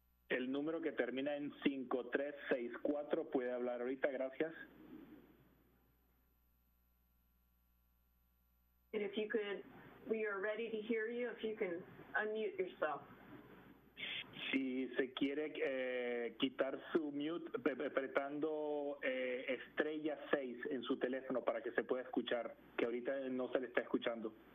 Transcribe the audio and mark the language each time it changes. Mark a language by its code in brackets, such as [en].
[es] El número que termina en 5364 puede hablar ahorita, gracias. [en] And if you could, we are ready to hear you, if you can unmute yourself. [es] Si se quiere quitar su mute, apretando estrella 6 en su teléfono para que se pueda escuchar, que ahorita no se le está escuchando.